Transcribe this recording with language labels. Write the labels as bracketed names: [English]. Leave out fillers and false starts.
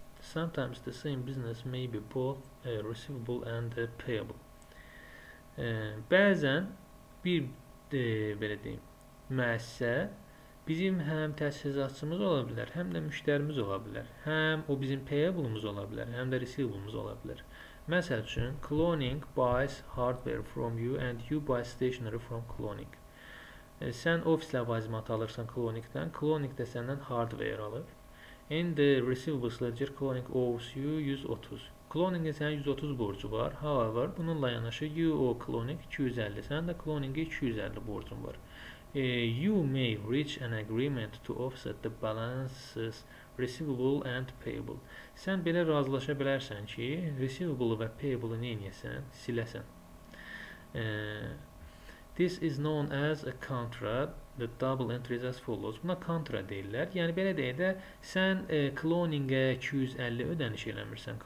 [English] Sometimes the same business may be both receivable and payable. [Azerbaijani] Bəzən bir belə deyim, müəssisə bizim həm təchizatçımız ola bilər, həm də müştərimiz ola bilər. Həm o bizim payable-umuz ola bilər, həm də receivable-umuz ola bilər. Məsəl üçün, [English] cloning buys hardware from you and you buy stationery from cloning. [Azerbaijani] Sən ofis ləvazimatı alırsan cloning-dən, cloning də səndən hardware alır. [English] In the receivables ledger, cloning owes you 130. [Azerbaijani] Cloning-də sənin 130 borcu var. However, bununla yanaşı [English] you owe cloning 250. [Azerbaijani] Sənin də cloning-ə 250 borcun var. [English] You may reach an agreement to offset the balances receivable and payable. [Azerbaijani] Sən belə razılaşa bilərsən ki, receivable-ı və payable-ı nə edəsən, siləsən. [English] This is known as a contra. The double entries as follows. [Azerbaijani] Buna contra deyirlər. Yəni belə deyə də sən cloning-ə 250 ödəniş eləmirsən.